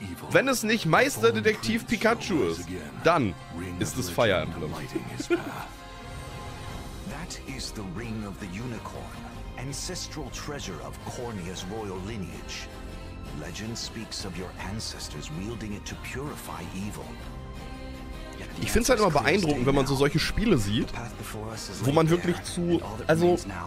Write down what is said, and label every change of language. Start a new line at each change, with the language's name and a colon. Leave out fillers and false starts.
German: Wenn es nicht Meisterdetektiv Pikachu ist, dann ist es Fire Emblem.
English: That is the ring of the unicorn, ancestral treasure of Cornia's royal lineage. Legend speaks of your ancestors wielding it to purify evil.
German: Ich finde es halt immer beeindruckend, wenn man so solche Spiele sieht, wo man wirklich zu. Also.